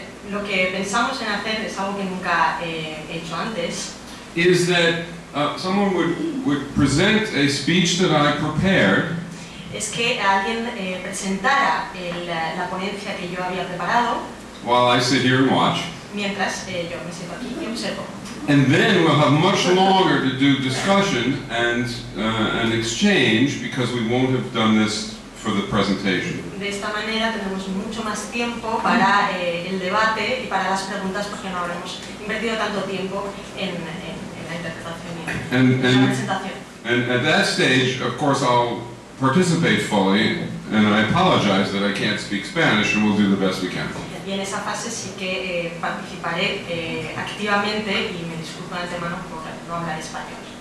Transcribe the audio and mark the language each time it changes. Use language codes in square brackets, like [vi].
[es] Lo que pensamos en hacer es algo que nunca he hecho antes. [en] Is that someone would present a speech that I prepared. [es] Es que alguien presentara la ponencia que yo había preparado. [en] While I sit here and watch. [es] Mientras yo me siento aquí y observo. [en] And then we'll have much longer to do discussion and exchange because we won't have done this for the presentation. [es] De esta manera tendremos mucho más tiempo para el debate y para las preguntas porque no habremos invertido tanto tiempo en la interpretación y en la presentación. [en] And at that stage, of course, I'll participate fully and I apologize that I can't speak Spanish and we'll do the best we can. [es] Y en esa fase sí que participaré activamente y me disculpo de antemano por no hablar español.